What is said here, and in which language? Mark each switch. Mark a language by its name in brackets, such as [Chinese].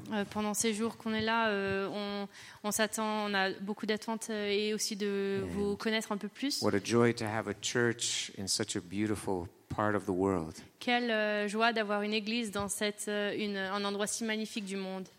[French] Pendant ces jours qu'on est là, on s'attend, on a beaucoup d'attentes et aussi de vous connaître un peu plus. [English] What a joy to have a church in such a beautiful part of the world. [French] Quelle joie d'avoir une église dans un endroit si magnifique du monde.